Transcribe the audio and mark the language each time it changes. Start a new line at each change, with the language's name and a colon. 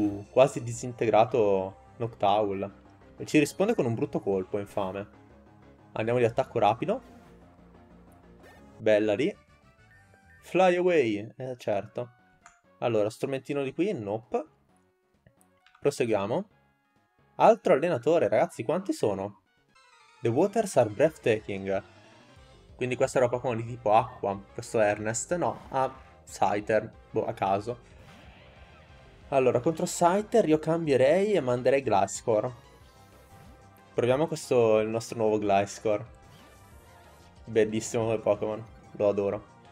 Italian: Quasi disintegrato Noctowl. E ci risponde con un brutto colpo, infame. Andiamo di attacco rapido. Bella lì. Fly away, certo. Allora, strumentino di qui, nope. Proseguiamo. Altro allenatore, ragazzi, quanti sono?
English: The waters are breathtaking.
Italian: Quindi questa era Pokémon di tipo acqua, questo Ernest, no, ha Scyther, boh, a caso. Allora, contro Scyther io cambierei e manderei Gliscor. Proviamo questo, il nostro nuovo Gliscor. Bellissimo come Pokémon, lo adoro.